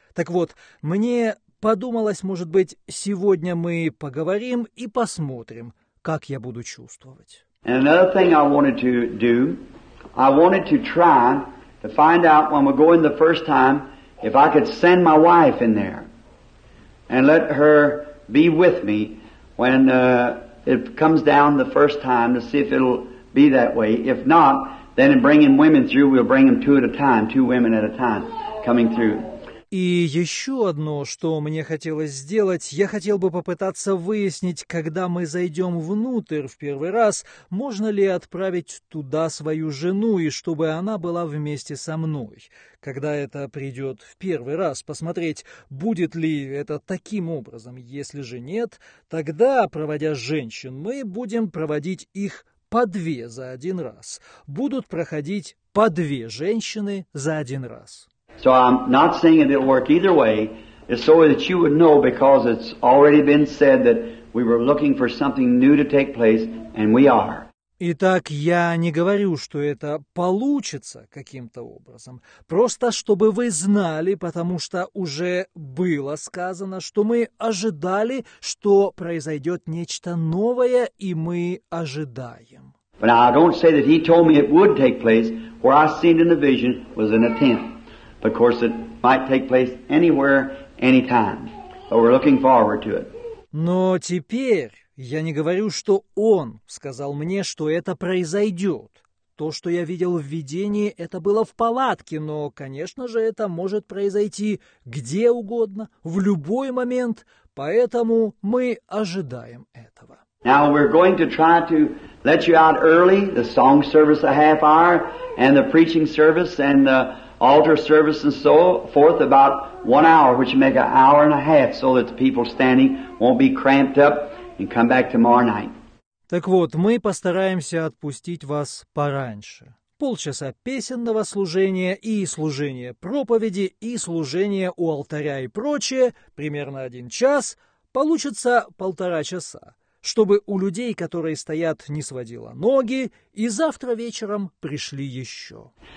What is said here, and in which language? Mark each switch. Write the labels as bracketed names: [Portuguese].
[Russian] Так вот, мне подумалось, может быть, сегодня мы поговорим и посмотрим, как я буду чувствовать. [English] And another thing I wanted to do, I wanted to try to find out when we go in the first time if I could send my wife in there and let her be with me when it comes down the first time to see if it'll be that way. If not, then in bringing women through, we'll bring them two at a time, two women at a time coming through. [Russian] И еще одно, что мне хотелось сделать, я хотел бы попытаться выяснить, когда мы зайдем внутрь в первый раз, можно ли отправить туда свою жену, и чтобы она была вместе со мной. Когда это придет в первый раз, посмотреть, будет ли это таким образом. Если же нет, тогда, проводя женщин, мы будем проводить их по две за один раз. Будут проходить по две женщины за один раз. [English] So I'm not saying it'll work either way, it's so that you would know, because it's already been said that we were looking for something new to take place, and we are. [Russian] Итак, я не говорю, что это получится каким-то образом, просто чтобы вы знали, потому что уже было сказано, что мы ожидали, что произойдет нечто новое, и мы ожидаем. [English] But I don't say that he told me it would take place. Where I seen in the vision was in a tent. Of course, it might take place anywhere, anytime. But we're looking forward to it. [Russian] Но теперь я не говорю, что он сказал мне, что это произойдет. То, что я видел в видении, это было в палатке, но, конечно же, это может произойти где угодно, в любой момент, поэтому мы ожидаем этого. [English] Now we're going to try to let you out early, the song service a half hour, and the preaching service, and the altar service and so forth about 1 hour, which will make an hour and a half, so that the people standing won't be cramped up and come back tomorrow night. [Russian] Так вот, мы постараемся отпустить вас пораньше. Полчаса песенного служения и служения проповеди и служения у алтаря и прочее, примерно один час, получится полтора часа, чтобы у людей, которые стоят, не сводило ноги, и завтра вечером пришли еще.